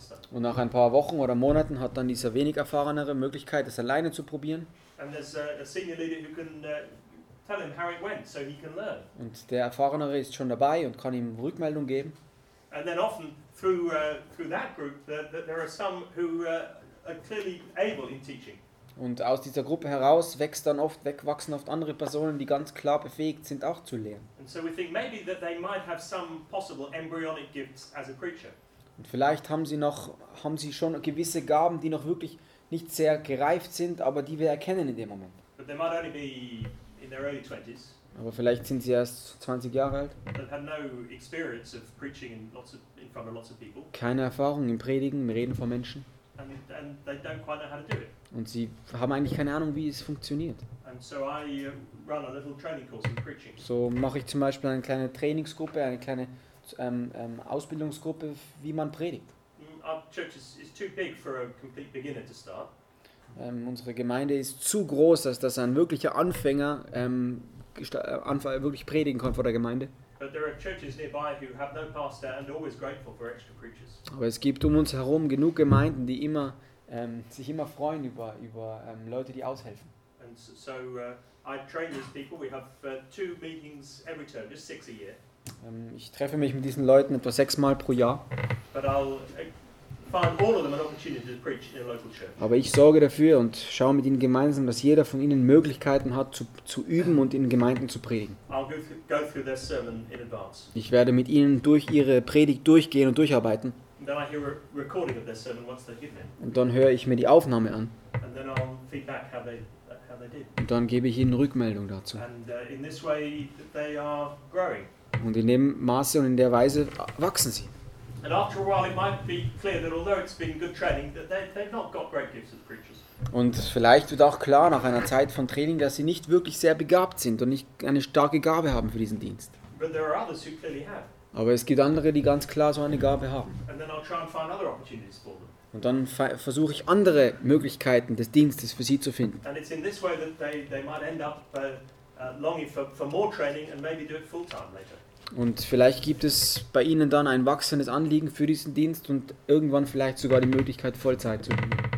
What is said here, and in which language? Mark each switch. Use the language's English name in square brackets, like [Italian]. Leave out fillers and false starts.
[German] Und nach ein paar Wochen oder Monaten hat dann dieser wenig Erfahrenere Möglichkeit, das alleine zu probieren. [English] And there's a senior leader who can tell him how it went, so he can learn. [German] Und der Erfahrenere ist schon dabei und kann ihm Rückmeldung geben. [English] And then often through that group, there are some who are clearly able in teaching. [German] Und aus dieser Gruppe heraus wachsen oft andere Personen, die ganz klar befähigt sind, auch zu lehren. [English] And so we think maybe that they might have some possible embryonic gifts as a preacher. [German] Und vielleicht haben sie schon gewisse Gaben, die noch wirklich nicht sehr gereift sind, aber die wir erkennen in dem Moment. [English] But they might only be in their early 20s. [German] Aber vielleicht sind sie erst 20 Jahre alt. [English] They've had no experience of preaching in front of lots of people. [German] Keine Erfahrung im Predigen, im Reden vor Menschen. [English] And they don't quite know how to do it. [German] Und sie haben eigentlich keine Ahnung, wie es funktioniert. [English] And so I run a little training course in preaching. [German] So mache ich zum Beispiel eine kleine Trainingsgruppe, eine kleine Ausbildungsgruppe, wie man predigt. [English] Our church is too big for a complete beginner to start. [German] Unsere Gemeinde ist zu groß, als dass ein wirklicher Anfänger wirklich predigen kann vor der Gemeinde. [English] But there are churches nearby who have no pastor and always grateful for extra preachers. [German] Aber es gibt um uns herum genug Gemeinden, die immer sich immer freuen über Leute, die aushelfen. [English] And so I train these people. We have two meetings every term, just six a year. [German] Ich treffe mich mit diesen Leuten etwa 6-mal pro Jahr. [English] But I'll find all of them an opportunity to preach in a local church. [German] Aber ich sorge dafür und schaue mit ihnen gemeinsam, dass jeder von ihnen Möglichkeiten hat, zu üben und in Gemeinden zu predigen. [English] I'll go through their sermon in advance. [German] Ich werde mit ihnen durch ihre Predigt durchgehen und durcharbeiten. [English] And then I hear a recording of their sermon once they've given it. [German] Und dann höre ich mir die Aufnahme an. [English] And then I'll feedback how they did. [German] Und dann gebe ich ihnen Rückmeldung dazu. [English] And in this way they are growing. [German] Und in dem Maße und in der Weise wachsen sie. [English] And after a while it might be clear that although it's been good training, that they've not got great gifts as preachers. [German] Und vielleicht wird auch klar nach einer Zeit von Training, dass sie nicht wirklich sehr begabt sind und nicht eine starke Gabe haben für diesen Dienst. [English] But there are others who clearly have. [German] Aber es gibt andere, die ganz klar so eine Gabe haben. [English] And then I'll try and find other opportunities for them. [German] Und dann versuche ich andere Möglichkeiten des Dienstes für sie zu finden. [English] And it's in this way that they might end up longing for more training and maybe do it full time later. [German] Und vielleicht gibt es bei ihnen dann ein wachsendes Anliegen für diesen Dienst und irgendwann vielleicht sogar die Möglichkeit, Vollzeit zu tun.